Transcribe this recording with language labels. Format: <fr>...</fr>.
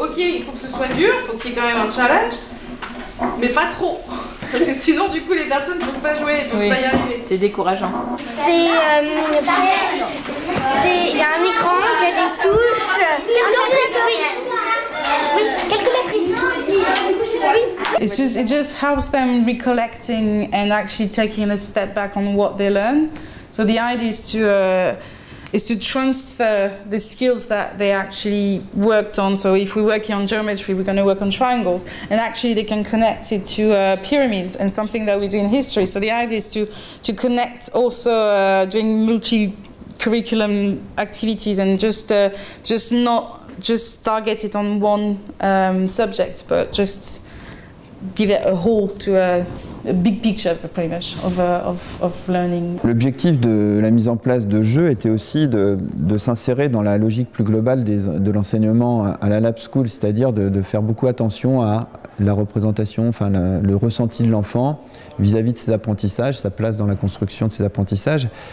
<fr>Ok, il faut que ce soit dur, il faut qu'il y ait quand même un challenge, mais pas trop. Parce que sinon, du coup, les personnes ne vont pas jouer, ne vont pas y arriver. C'est décourageant. Il y a un écran, il y a des touches. Calculatrice.</fr> <en>It just helps them recollecting and actually taking a step back on what they learn. So the idea is to transfer the skills that they actually worked on. So if we're working on geometry, we're going to work on triangles, and actually they can connect it to pyramids and something that we do in history. So the idea is to connect also doing multi-curriculum activities and just not target it on one subject, but just give it a whole to a big picture, pretty much, of learning.</en> <fr>L'objectif de la mise en place de jeux était aussi de s'insérer dans la logique plus globale de l'enseignement à la lab school, c'est-à-dire de faire beaucoup attention à la représentation, enfin le ressenti de l'enfant vis-à-vis de ses apprentissages, sa place dans la construction de ses apprentissages.</fr>